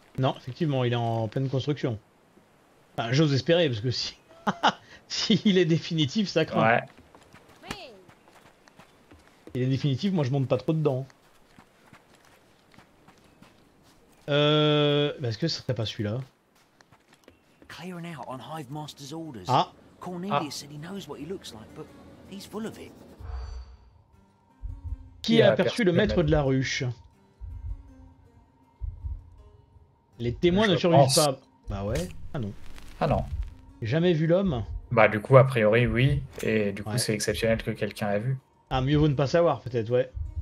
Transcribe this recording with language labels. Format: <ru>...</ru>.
<fr>Non, effectivement, il est en pleine construction. Enfin, j'ose espérer, parce que si... S'il est définitif, ça craint. Ouais. Il est définitif, moi je monte pas trop dedans. Est-ce que ce serait pas celui-là?</fr> <en>Clearing out on Hive Master's orders. Ah. Cornelius said he knows what he looks like, but he's full of it.</en> <fr>Qui a aperçu le maître de la ruche? Les témoins ne survivent pas. Bah ouais. Ah non. J'ai jamais vu l'homme. Bah du coup a priori oui, et du coup c'est exceptionnel que quelqu'un l'ait vu. Ah mieux vaut ne pas savoir peut-être, ouais.</fr>